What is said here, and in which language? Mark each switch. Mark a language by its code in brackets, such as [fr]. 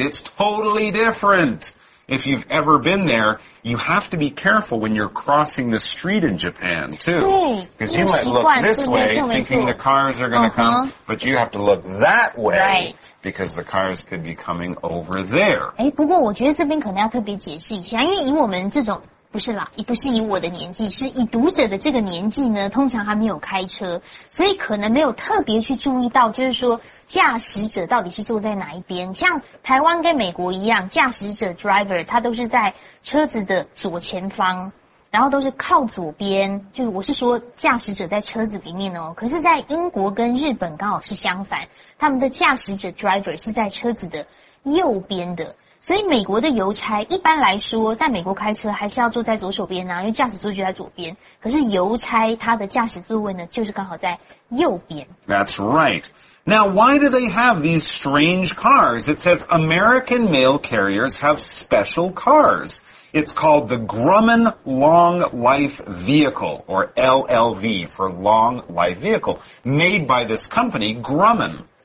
[en] It's totally different. If you've ever been there, you have to be careful when you're crossing the street in Japan, too. Because you might look this way, thinking the cars are going to come, but you have to look that way, because the cars could be coming over there. [zh] 哎，不过我觉得这边可能要特别解释一下，因为以我们这种不是啦，也不是以我的年纪，是以读者的这个年纪呢，通常还没有开车，所以可能没有特别去注意到，就是说驾驶者到底是坐在哪一边。像台湾跟美国一样，驾驶者 driver 他都是在车子的左前方，然后都是靠左边，就是我是说驾驶者在车子里面哦。可是，在英国跟日本刚好是相反，他们的驾驶者 driver 是在车子的右边的。所以美国的邮差一般来说在美国开车还是要坐在左手边啊，因为驾驶座就在左边，可是邮差他的驾驶座位呢就是刚好在右边。 [en] That's right. Now why do they have these strange cars? It says American mail carriers have special cars. It's called the Grumman Long Life Vehicle, or LLV for Long Life Vehicle, made by this company Grumman.